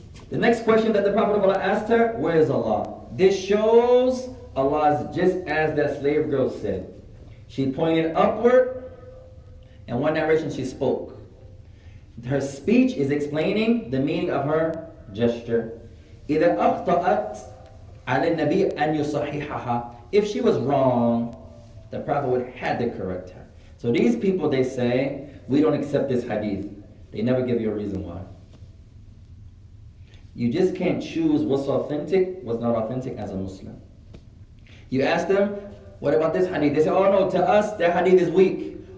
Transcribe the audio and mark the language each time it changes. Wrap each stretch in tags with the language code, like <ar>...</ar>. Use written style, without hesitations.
<en>The next question that the Prophet of Allah asked her, where is Allah? This shows Allah is just as that slave girl said. She pointed upward, and one narration she spoke. Her speech is explaining the meaning of her gesture.</en> <ar>إِذَا أَخْطَأَتْ عَلَى النَّبِيِّ أَنْ يُصَحِحَهَا.</ar> <en>If she was wrong, the Prophet would have to correct her. So these people, they say, we don't accept this hadith. They never give you a reason why. You just can't choose what's authentic, what's not authentic as a Muslim. You ask them, what about this hadith? They say, oh no, to us, that hadith is weak.</en>